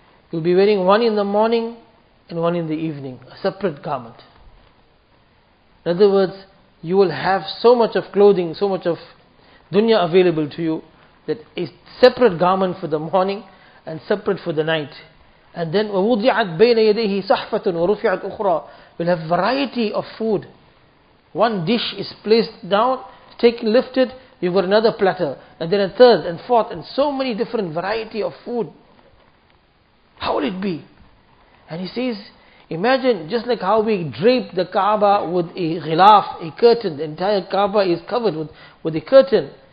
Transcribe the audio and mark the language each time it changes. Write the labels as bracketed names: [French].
[English] You'll be wearing one in the morning and one in the evening, a separate garment. In other words, you will have so much of clothing, so much of dunya available to you, that a separate garment for the morning and separate for the night. And then [Arabic] وَوُضِعَتْ بَيْنَ يَدَيْهِ صَحْفَةٌ وَرُفِعَتْ أُخْرَى. [English] You'll have variety of food. One dish is placed down, taken, lifted, you've got another platter, and then a third and fourth, and so many different variety of food. How will it be? And he says, imagine just like how we drape the Kaaba with a ghilaf, a curtain. The entire Kaaba is covered with a curtain.